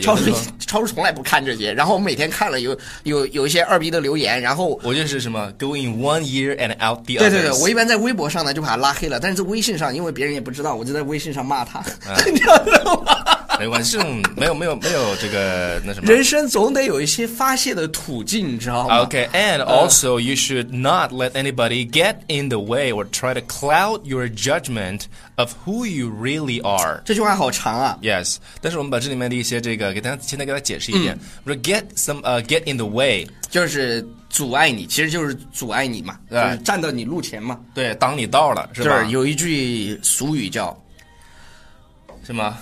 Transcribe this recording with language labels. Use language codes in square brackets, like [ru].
[zh] 超叔从来不看这些，然后每天看了有一些二逼的留言，然后我就是什么 [en] going one year and out the other。 [zh] 对我一般在微博上呢就把他拉黑了，但是在微信上因为别人也不知道，我就在微信上骂他，你知道吗？没关系，这种没有这个那什么。人生总得有一些发泄的途径，你知道吗 [en] ？Okay, and also you should not let anybody get in the way or try to cloud your judgment of who you really are. [zh] 这句话好长啊。 Yes, 但是我们把这里面的一些这个给大家现在给大家解释一遍。我说 [en] get in the way [zh] 就是阻碍你，其实就是阻碍你嘛，就是站到你路前嘛。对，挡你道了，是吧？就是有一句俗语叫。是吗？